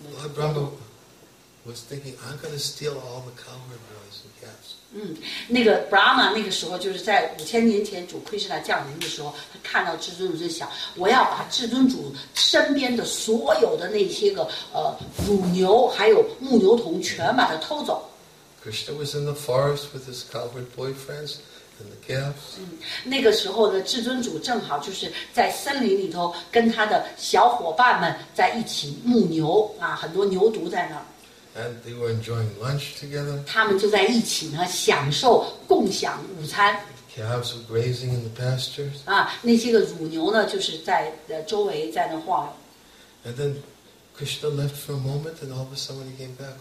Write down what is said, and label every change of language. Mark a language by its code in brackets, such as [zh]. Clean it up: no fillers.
[en] Lord Brahma was thinking, I'm going to steal all the cowherd boys and calves. [zh] 那个 Brahma 那个时候就是在五千年前主 Krishna 降临的时候，他看到至尊主就想，我要把至尊主身边的所有的那些个乳牛还有牧牛童全把它偷走。 [en] Krishna was in the forest with his cowherd boyfriends and the calves. [zh] 那个时候的至尊主正好就是在森林里头跟他的小伙伴们在一起牧牛啊，很多牛犊在那儿。 [en] And they were enjoying lunch together. [zh] 他们就在一起呢，享受共享午餐。 [en] Calves were grazing in the pastures. [zh] 那些个乳牛呢，就是在周围在那晃。 [en] And then Krishna left for a moment, and all of a sudden he came back.